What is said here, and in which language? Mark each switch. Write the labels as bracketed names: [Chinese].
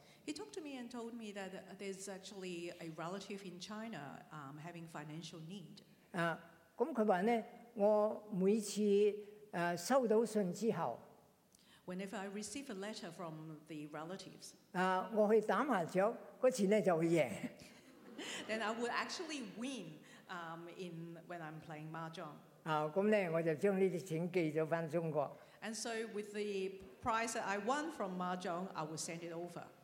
[English] He talked to me and told me that there's actually a relative in China having financial need. [Cantonese] 咁佢話呢，我每次收到信之後。 [English] Whenever I receive a letter from the relatives, [Cantonese] 我去打麻雀，嗰次咧就會贏。 [English] Then I would actually win when I'm playing mahjong. [Cantonese] 啊，咁咧我就將呢啲錢寄咗翻中國。 [English] And so with the prize that I won from mahjong, I will send it over.